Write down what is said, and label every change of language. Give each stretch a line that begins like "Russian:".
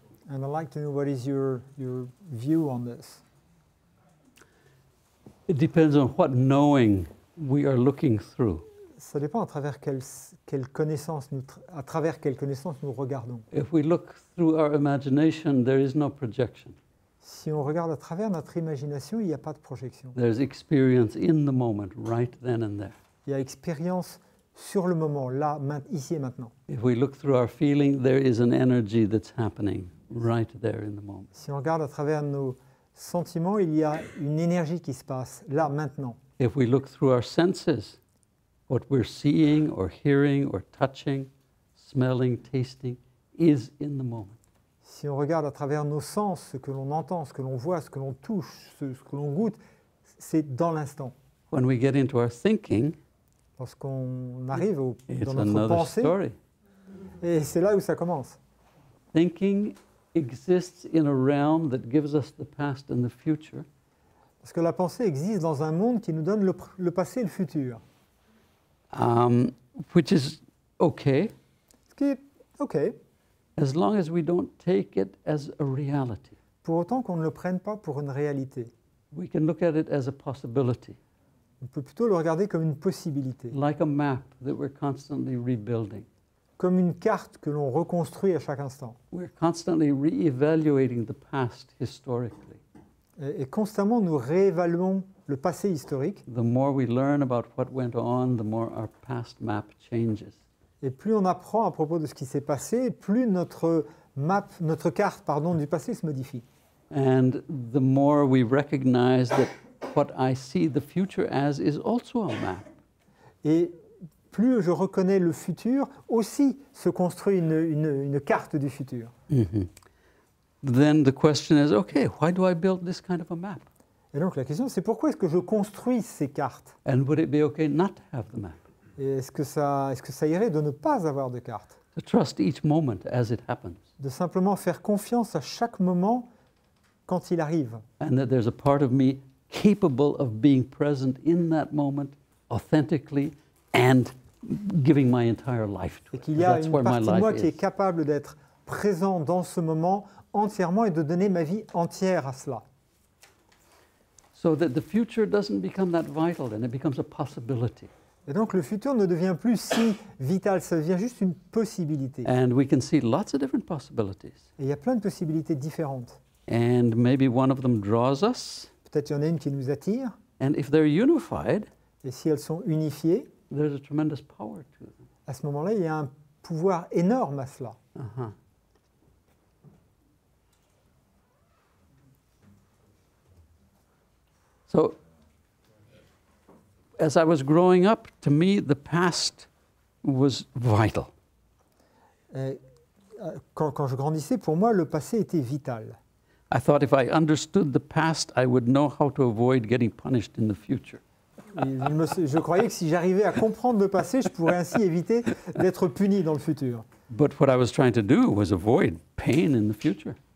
English: And I'd like to know what is your view on this. It depends on what knowing we are looking through.
French: Ça dépend à travers quelle connaissance nous regardons.
English: If we look through our imagination, there is no projection.
French: Si on regarde à travers notre imagination, il n'y a pas de projection.
English: There's experience in the moment, right then and there.
French: Il y a expérience sur le moment, là, ici et maintenant.
English: If we look through our feeling, there is an energy that's happening right there in the moment.
French: Si on regarde à travers nos sentiments, il y a une énergie qui se passe là, maintenant.
English: If we look through our senses, what we're seeing or hearing or touching, smelling, tasting, is in the moment.
French: Si on regarde à travers nos sens, ce que l'on entend, ce que l'on voit, ce que l'on touche, ce que l'on goûte, c'est dans l'instant.
English: When we get into our thinking,
French: lorsqu'on arrive dans notre pensée,
English: story.
French: Et c'est là où ça commence.
English: Thinking exists in a realm that gives us the past and the future.
French: Parce que la pensée existe dans un monde qui nous donne le passé et le futur.
English: Which is okay.
French: Ce qui est okay.
English: As long as we don't take it as a reality.
French: Pour autant qu'on ne le prenne pas pour une réalité.
English: We can look at it as a possibility.
French: On peut plutôt le regarder comme une possibilité.
English: Like a map that we're constantly rebuilding.
French: Comme une carte que l'on reconstruit à chaque instant.
English: We're constantly re-evaluating the past historically.
French: Et constamment, nous réévaluons le passé historique.
English: The more we learn about what went on, the more our past map changes.
French: Et plus on apprend à propos de ce qui s'est passé, plus notre carte du passé se modifie.
English: And the more we recognize that what I see the future as is also a map.
French: Et plus je reconnais le futur, aussi se construit une carte du futur. Mm-hmm.
English: Then the question is, okay, why do I build this kind of a map?
French: Et donc la question c'est pourquoi est-ce que je construis ces cartes?
English: And would it be okay not to have the map?
French: Et est-ce que ça irait de ne pas avoir de carte?
English: To trust each moment as it happens.
French: De simplement faire confiance à chaque moment quand il arrive.
English: And that there's a part of me capable of being present in that moment authentically and giving my entire life to it.
French: Et qu'il y a une partie de moi qui est capable d'être présent dans ce moment entièrement et de donner ma vie entière à cela.
English: So that the future doesn't become that vital and it becomes a possibility.
French: Et donc le futur ne devient plus si vital, ça devient juste une possibilité.
English: And we can see lots of different possibilities.
French: Et il y a plein de possibilités différentes.
English: And maybe one of them draws us.
French: Peut-être qu'il y en a une qui nous attire.
English: And if they're unified,
French: et si elles sont unifiées,
English: there's a tremendous power to them.
French: À ce moment-là, il y a un pouvoir énorme à cela. Uh-huh.
English: So, as I was growing up, to me, the past was vital.
French: Quand je grandissais, pour moi, le passé était vital.
English: I thought if I understood the past, I would know how to avoid getting punished in the future.
French: Je croyais que si j'arrivais à comprendre le passé, je pourrais ainsi éviter d'être puni dans le futur.
English: But what I was trying to do was avoid pain in the future.